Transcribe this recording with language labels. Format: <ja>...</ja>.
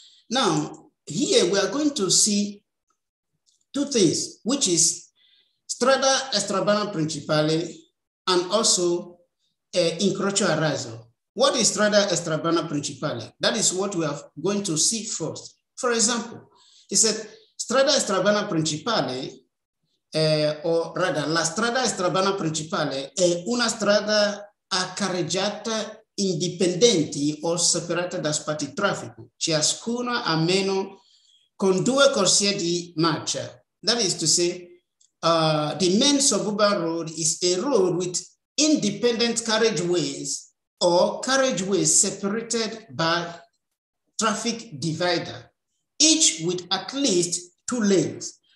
<en>Now, here we are going to see two things, which is strada estrabana principale and also incrocio a raso. What is strada estrabana principale? That is what we are going to see first. For example, he said strada estrabana principale. Or rather,</en> <it>la strada estrabana principale è una strada a carreggiata indipendente o separata da spazi traffico, ciascuna a meno con due corsie di marcia.</it> <en>That is to say, the main suburban road is a road with independent carriageways or carriageways separated by traffic divider, each with at least two lanes.</en>